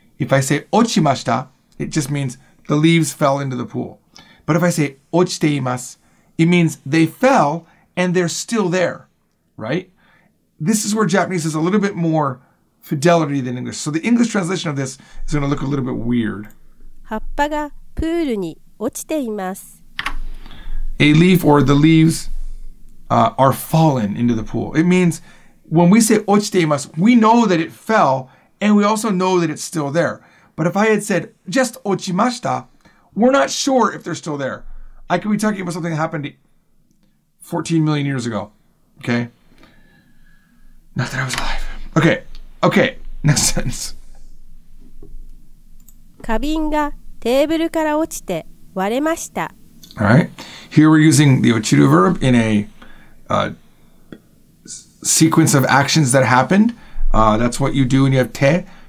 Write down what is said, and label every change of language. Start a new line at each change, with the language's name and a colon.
English: If I say ochimashita, it just means the leaves fell into the pool. But if I say ochite imasu, it means they fell and they're still there, right? This is where Japanese has a little bit more fidelity than English. So the English translation of this is going to look a little bit weird.
Japanese: 葉っぱがプールに落ちています。
English: A leaf or the leaves are fallen into the pool. It means when we say 落ちています, we know that it fell and we also know that it's still there. But if I had said just 落ちました, we're not sure if they're still there. I could be talking about something that happened 14 million years ago. Okay? Not that I was alive. Okay. Okay. Next sentence.
Japanese: 花瓶がテーブルから落ちて割れました。
English: All right. Here we're using the 落ちる verb in a sequence of actions that happened. That's what you do when you have て.